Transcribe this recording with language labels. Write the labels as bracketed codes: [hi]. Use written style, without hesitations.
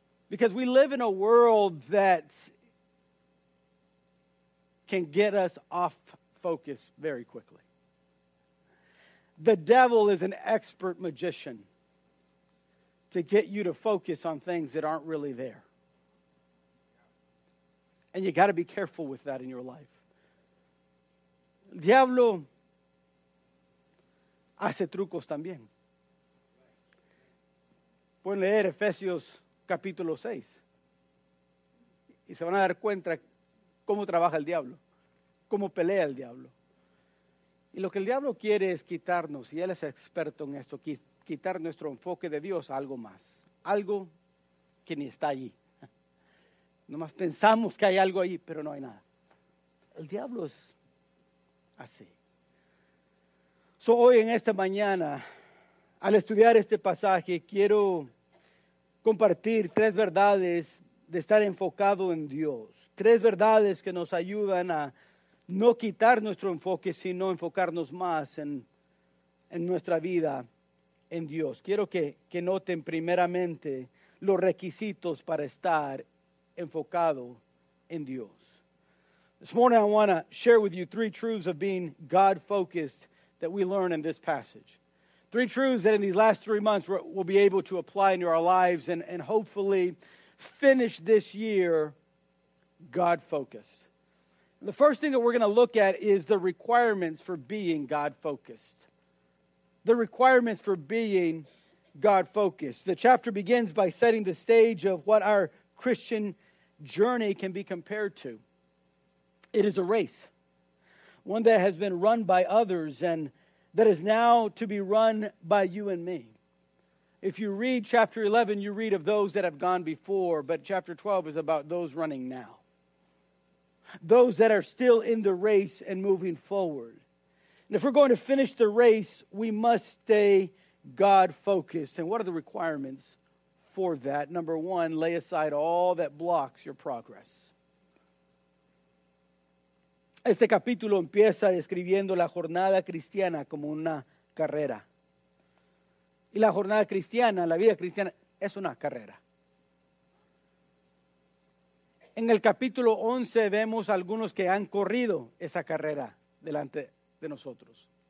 [en] Because we live in a world that can get us off focus very quickly. The devil is an expert magician to get you to focus on things that aren't really there. And you got to be careful with that in your life. [es] Diablo hace trucos también. Pueden leer Efesios capítulo 6 y se van a dar cuenta cómo trabaja el diablo, cómo pelea el diablo. Y lo que el diablo quiere es quitarnos, y él es experto en esto, quitar nuestro enfoque de Dios a algo más, algo que ni está allí. Nomás pensamos que hay algo allí, pero no hay nada. El diablo es así. So hoy en esta mañana, al estudiar este pasaje, quiero compartir tres verdades de estar enfocado en Dios. Tres verdades que nos ayudan a no quitar nuestro enfoque, sino enfocarnos más en nuestra vida en Dios. Quiero que noten primeramente los requisitos para estar enfocado en Dios. [en] This morning I want to share with you three truths of being God-focused that we learn in this passage. Three truths that in these last 3 months we'll be able to apply into our lives and hopefully finish this year God-focused. The first thing that we're going to look at is the requirements for being God-focused. The requirements for being God-focused. The chapter begins by setting the stage of what our Christian journey can be compared to. It is a race, one that has been run by others and that is now to be run by you and me. If you read chapter 11, you read of those that have gone before, but chapter 12 is about those running now. Those that are still in the race and moving forward. And if we're going to finish the race, we must stay God-focused. And what are the requirements for that? Number one, lay aside all that blocks your progress. [es] Este capítulo empieza describiendo la jornada cristiana como una carrera. Y la jornada cristiana, la vida cristiana, es una carrera. En el capítulo 11 vemos algunos que han corrido esa carrera delante de nosotros.